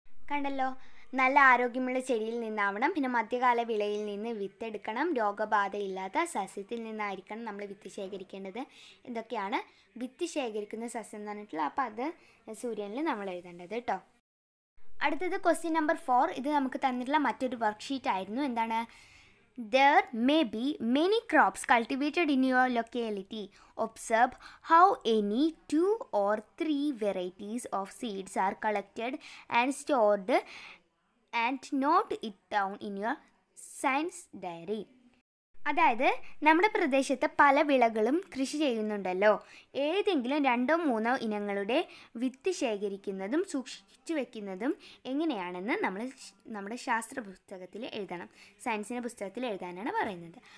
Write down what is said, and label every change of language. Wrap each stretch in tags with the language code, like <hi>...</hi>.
<ml>കണ്ടല്ലോ, നല്ല ആരോഗ്യമുള്ള ചെടിയിൽ നിന്നാവണം, പിന്നെ മധ്യകാല വിളയിൽ നിന്ന് വിത്തെടുക്കണം, രോഗബാധയില്ലാത്ത സസ്യത്തിൽ നിന്നായിരിക്കണം നമ്മൾ വിത്ത് ശേഖരിക്കേണ്ടത്. ഇതൊക്കെയാണ് വിത്ത് ശേഖരിക്കുന്ന സസ്യം എന്ന് പറഞ്ഞിട്ടുള്ളത്. അപ്പോൾ അത് സൂര്യനിൽ നമ്മൾ എഴുതേണ്ടത് കേട്ടോ. അടുത്തത് ക്വസ്റ്റ്യൻ നമ്പർ 4, ഇത് നമുക്ക് തന്നിട്ടുള്ള മറ്റൊരു വർക്ക്ഷീറ്റ് ആയിരുന്നു. എന്താണ്?</ml> <en>There may be many crops cultivated in your locality. Observe how any 2 or 3 varieties of seeds are collected and stored and note it down in your science diary.</en> <ml>അതായത് നമ്മുടെ പ്രദേശത്തെ പല വിളകളും കൃഷി ചെയ്യുന്നുണ്ടല്ലോ, ഏതെങ്കിലും 2-3 ഇനങ്ങളുടെ വിത്ത് ശേഖരിക്കുന്നതും സൂക്ഷിച്ചു വെക്കുന്നതും എങ്ങനെയാണെന്ന് നമ്മൾ നമ്മുടെ ശാസ്ത്ര പുസ്തകത്തിൽ എഴുതണം, സയൻസിൻ്റെ പുസ്തകത്തിൽ എഴുതാനാണ് പറയുന്നത്.</ml>